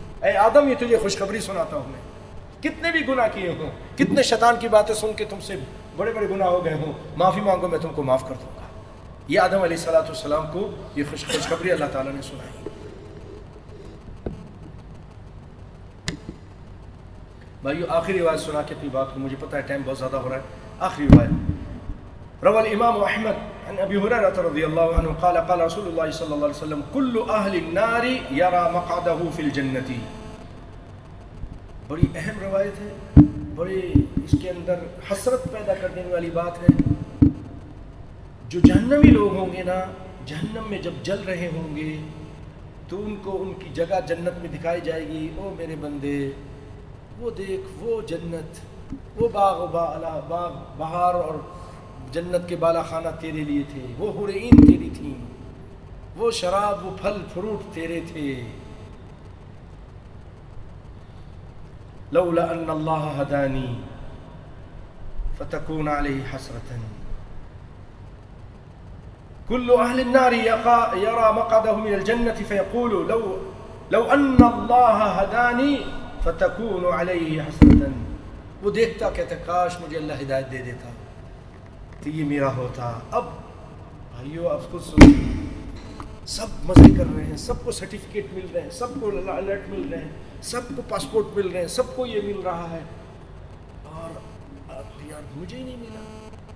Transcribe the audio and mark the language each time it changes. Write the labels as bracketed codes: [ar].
[ur] اے آدم, یہ تجھے خوشخبری سناتا ہوں میں, کتنے بھی گناہ کیے ہوں, کتنے شیطان کی باتیں سن کے تم سے بڑے بڑے گناہ ہو گئے ہوں, معافی مانگو میں تم کو معاف کر دوں گا. یہ آدم علیہ الصلاۃ والسلام کو یہ خوشخبری اللہ تعالیٰ نے سنائی. بھائیو آخری روایت سنا کے اپنی بات کو, مجھے پتا ہے ٹائم بہت زیادہ ہو رہا ہے. آخری روایت, [ar] روى الامام احمد عن ابي هريره رضي الله عنه قال قال رسول الله صلى الله عليه وسلم كل اهل النار يرى مقعده في الجنه. [ur] بڑی اہم روایت ہے, بڑی اس کے اندر حسرت پیدا کرنے والی بات ہے. جو جہنمی لوگ ہوں گے نا, جہنم میں جب جل رہے ہوں گے تو ان کو ان کی جگہ جنت میں دکھائی جائے گی. او میرے بندے, وہ دیکھ وہ جنت, وہ باغ و بالا باغ بہار اور جنت کے بالا خانہ تیرے لیے تھے, وہ حورعین تیری تھیں, وہ شراب وہ پھل فروٹ تیرے تھے. [ar] لولا ان اللہ ہدانی فتکون علیہ حسرتن, كل أهل النار يرى مقعده من الجنة فيقول لو أن الله هداني فتكون عليه حسنة. [ur] وہ دیکھتا کہتا کاش مجھے اللہ ہدایت دے دیتا تو یہ میرا ہوتا. اب بھائیو آپ خود سنو, سب مزے کر رہے ہیں, سب کو سرٹیفکیٹ مل رہے ہیں, سب کو الرٹ مل رہے ہیں, سب کو پاسپورٹ مل رہے ہیں, سب کو یہ مل رہا ہے, اور یار مجھے نہیں ملا.